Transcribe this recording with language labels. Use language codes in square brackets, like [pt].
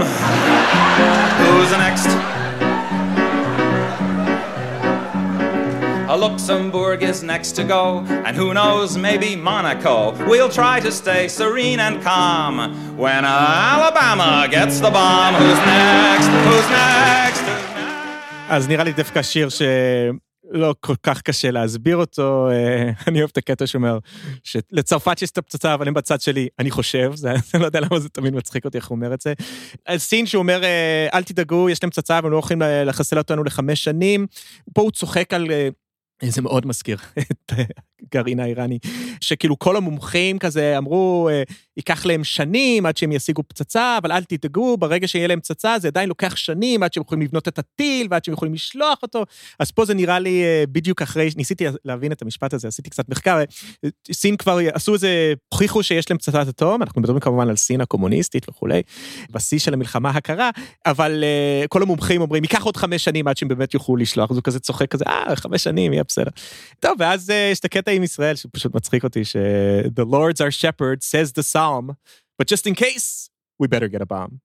[en] Who's next? A Luxembourg is next to go, and who knows, maybe Monaco. We'll try to stay serene and calm when Alabama gets the bomb. Who's next? Who's next? [he] אז נראה לי דווקא שיר שלא כל כך קשה להסביר אותו. אני אוהב את הקטע שאומר שלצרפת יש את הפצצה, אבל הם בצד שלי, אני חושב. אני לא יודע למה זה תמיד מצחיק אותי, איך הוא אומר את זה. סין שאומר, אל תדאגו, יש להם פצצה, והם לא הולכים לחסל אותנו 5 שנים. פה הוא צוחק על, זה מאוד מזכיר, את גרעין האיראני, שכאילו כל המומחים כזה אמרו, ייקח להם שנים עד שהם ישיגו פצצה, אבל אל תדאגו, ברגע שיהיה להם פצצה, זה עדיין לוקח שנים עד שהם יכולים לבנות את הטיל, ועד שהם יכולים לשלוח אותו. אז פה זה נראה לי בדיוק אחרי, ניסיתי להבין את המשפט הזה, עשיתי קצת מחקר, סין כבר עשו איזה, הוכיחו שיש להם פצצת אטום, אנחנו מדברים כמובן על סין הקומוניסטית וכולי, בשיא של המלחמה הקרה, אבל כל המומחים אומרים, ייקח עוד 5 שנים עד שהם באמת יוכלו לשלוח, זה כזה צוחק כזה, 5 שנים, יהיה בסדר. טוב, ואז יש את הקטע עם ישראל, שפשוט מצחיק אותי, ש- [en] The Lord's our shepherd, says the psalm, but just in case, we better get a bomb.